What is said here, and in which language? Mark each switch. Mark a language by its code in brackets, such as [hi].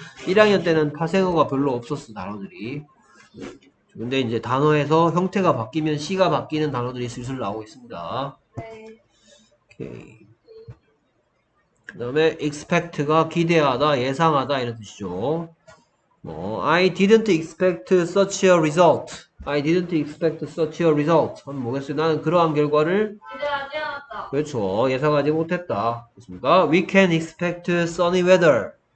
[ko] 1학년 때는 파생어가 별로 없었어 단어들이. 근데 이제 단어에서 형태가 바뀌면 시가 바뀌는 단어들이 슬슬 나오고 있습니다. 오케이. 그다음에 expect가 기대하다, 예상하다 이런 뜻이죠. 뭐 [en] I didn't expect such a result. I didn't expect such a result. [ko] 한번 보겠어요. 나는 그러한 결과를 그렇죠. 예상하지 못했다. 그렇습니까? [en] We can expect sunny weather.